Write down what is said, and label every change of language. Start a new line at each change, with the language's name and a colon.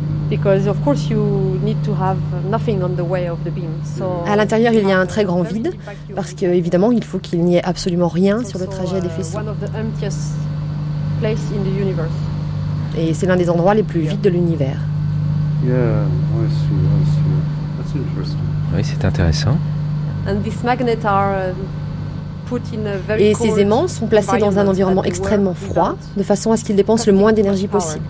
English: Because of course you need to have nothing on the way of the beam. So
French: à l'intérieur, il y a un très grand vide parce que évidemment, il faut qu'il n'y ait absolument rien sur le trajet des faisceaux.
English: One of the emptiest place in the universe.
French: Et c'est l'un des endroits les plus vides de l'univers.
English: Yeah, I see, I see. That's interesting.
French: Oui, c'est intéressant.
English: And these magnets are
French: Et ces aimants sont placés dans un environnement extrêmement froid, de façon à ce qu'ils dépensent le moins d'énergie possible.